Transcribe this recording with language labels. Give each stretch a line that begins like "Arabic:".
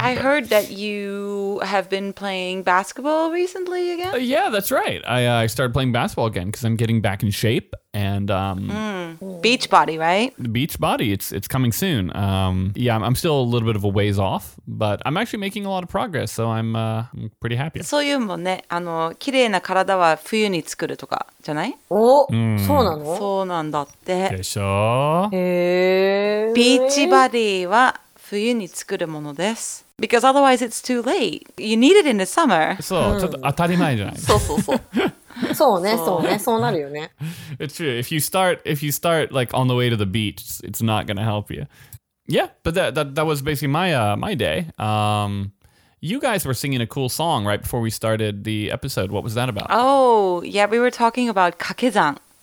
English: I heard that you have been playing basketball recently again. Yeah, that's right. I started playing basketball again because I'm getting back in shape and beach body, right? Beach body. It's coming soon. Yeah, I'm still a little bit of a ways off, but I'm actually making a lot of progress, so I'm pretty happy.
Japanese: そういうもんね。あの、綺麗な体は冬に作るとかじゃない？お、そうなの？そうなんだって。でしょ？ビーチバディは冬に作るものです。
English: Because otherwise it's too late. You need it in the summer.
Japanese: そう、ちょっと当たり前じゃない。そうね、そうなるよね。
English: It's true. If you start like on the way to the beach, it's not gonna help you. Yeah, but that was basically my day. You guys were singing a cool song right before we started the episode. What was that about? Oh, yeah, we were talking about kakezan.